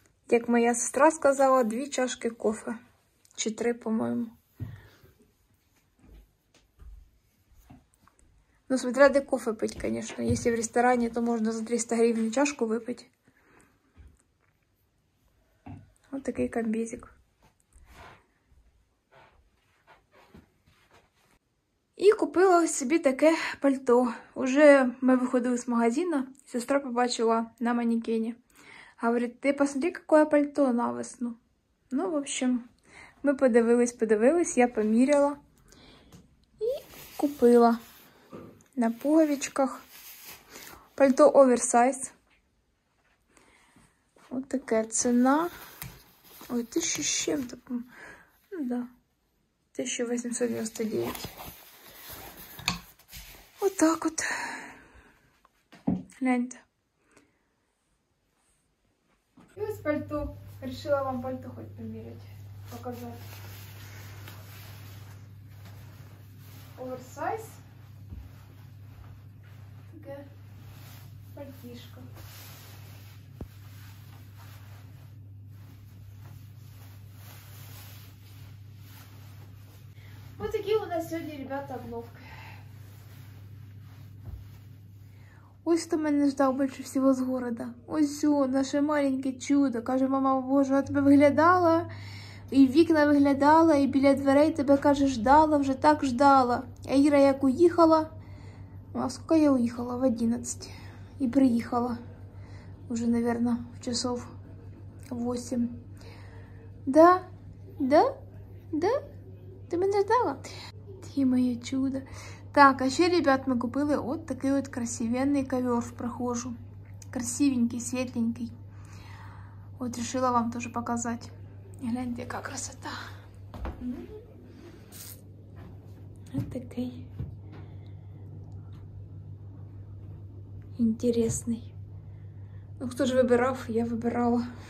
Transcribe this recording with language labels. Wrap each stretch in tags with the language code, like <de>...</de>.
<uk>Як моя сестра сказала, 2 чашки кофе. Чи 3, по-моєму. Ну, смотря де кофе пить, звісно. Якщо в ресторані, то можна за 300 гривень чашку випити. Ось такий комбезик. І купила собі таке пальто. Уже ми виходили з магазину, сестра побачила на манекені. Говорить, ти посмотри, яке пальто на весну. Ну, в общем, ми подивились, я поміряла і купила на пуговичках. Пальто оверсайз. Ось така ціна. Ой, 1000 з чим-то. Ну, да. 1899. Ось так от. Гляньте. Пальто.</uk> <ru>Решила вам пальто хоть померять, показать. Оверсайз. Такая пальтишка. Вот такие у нас сегодня, ребята, обновки.</ru> <uk>Ось хто мене ждав більше всього з міста. Ось о, наше маленьке чудо. Каже, мама, боже, я тебе виглядала, і вікна виглядала, і біля дверей тебе, каже, ждала, вже так ждала. А Іра як уїхала, а скільки я уїхала? В 11. І приїхала. Уже, мабуть, в часов 8. Да? Да? Да? Ти мене ждала? Ти моє чудо. Так, а ще, ребят, ми купили от такий от красивенний ковер в прохожу. Красивенький, світленький. От, решила вам теж показати. Гляньте, яка красота. От такий. Інтересний. Ну, хто ж вибирав, я вибирала.</uk>